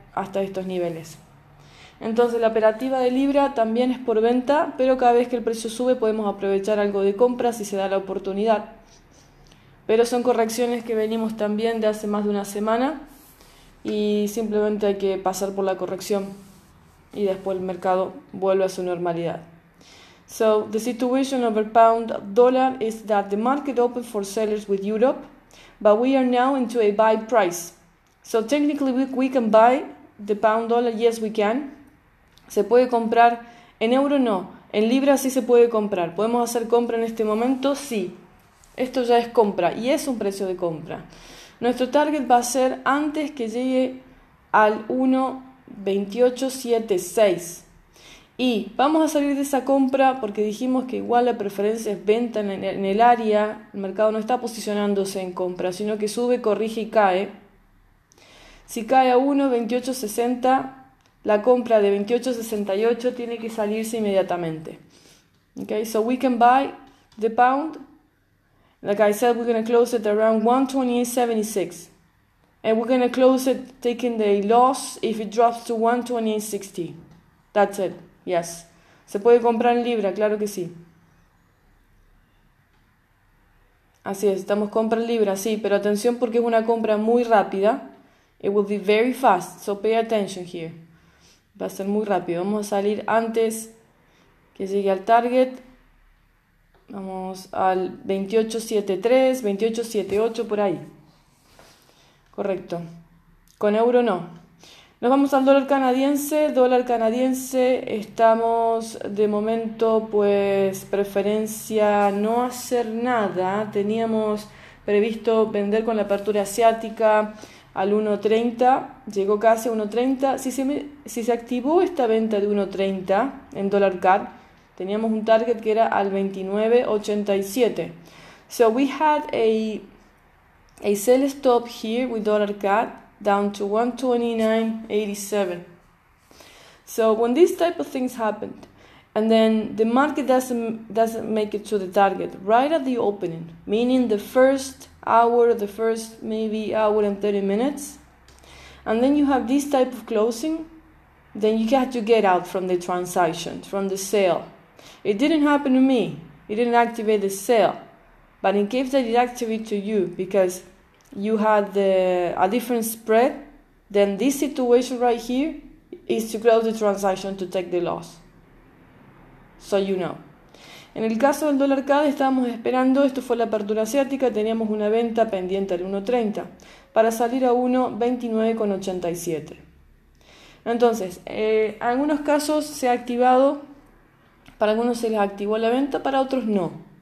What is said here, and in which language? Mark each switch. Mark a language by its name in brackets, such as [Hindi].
[Spanish] hasta estos niveles. Entonces, la operativa de Libra también es por venta, pero cada vez que el precio sube podemos aprovechar algo de compra si se da la oportunidad. Pero son correcciones que venimos también de hace más de una semana y simplemente hay que pasar por la corrección y después el mercado vuelve a su normalidad. [English] So, the situation of a pound dollar is that the market opened for sellers with Europe, but we are now into a buy price. So, technically, we can buy the pound dollar, yes, we can. [Spanish] Se puede comprar en euro, no. En libra, sí se puede comprar. ¿Podemos hacer compra en este momento? Sí. Esto ya es compra y es un precio de compra. Nuestro target va a ser antes que llegue al 1.2876. Y vamos a salir de esa compra porque dijimos que igual la preferencia es venta en el área. El mercado no está posicionándose en compra, sino que sube, corrige y cae. Si cae a 1.2860, la compra de 2868 tiene que salirse inmediatamente. [English] Okay, so we can buy the pound. Like I said, we're going to close it around 1.2876. And we're going to close it taking the loss if it drops to 1.2860. That's it. Yes. [Spanish] Se puede comprar en libra, claro que sí. Así es, estamos comprando en libra, sí, pero atención porque es una compra muy rápida. [English] It will be very fast, so pay attention here. [Spanish] Va a ser muy rápido. Vamos a salir antes que llegue al target. Vamos al 2873, 2878, por ahí. Correcto. Con euro no. Nos vamos al dólar canadiense. Dólar canadiense, estamos de momento, pues, preferencia no hacer nada. Teníamos previsto vender con la apertura asiática al 1.30. Llegó casi a 1.30. Si se activó esta venta de 1.30 en dólar CAD, teníamos un target que era al 29.87. [English] So we had a sell stop here with dollar CAD. Down to 1.2987. So when these type of things happened, and then the market doesn't make it to the target right at the opening, meaning the first hour, the first maybe hour and 30 minutes, and then you have this type of closing, then you have to get out from the transaction, from the sale. It didn't happen to me. It didn't activate the sale, but in case that it activated to you, because you had a different spread, then this situation right here is to close the transaction to take the loss. So you know. [Spanish] En el caso del dólar CAD estábamos esperando, esto fue la apertura asiática, teníamos una venta pendiente al 1.30 para salir a 1.2987. Entonces, en algunos casos se ha activado, para algunos se les activó la venta, para otros no.